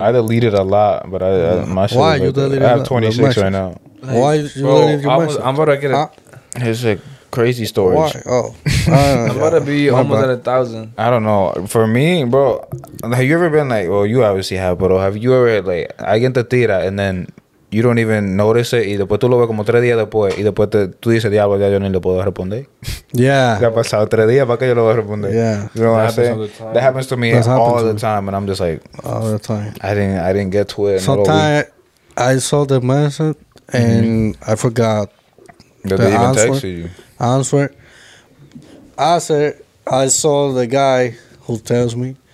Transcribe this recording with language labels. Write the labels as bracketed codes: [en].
[en] I deleted a lot, but my shit. Why like you deleted? I have 26 right now. Like, why you deleted your messages? I'm about to get it's a crazy storage. Why? I'm about to be almost at 1,000. I don't know. For me, bro, have you ever been like? Well, you obviously have, but have you ever like? I get the tira and then you don't even notice it. [es] Y después tú lo ves como 3 días después. Y después tú dices, diablo, ya yo ni le puedo responder. [en] Yeah. [es] Ya ha pasado 3 días, ¿para qué yo lo voy a responder? [en] Yeah. You know what I'm saying? That happens to me all the time. And I'm just like. All the time. I didn't get to it. Sometimes I saw the message and I forgot. Did they even text you? Answer. I saw the guy who tells me.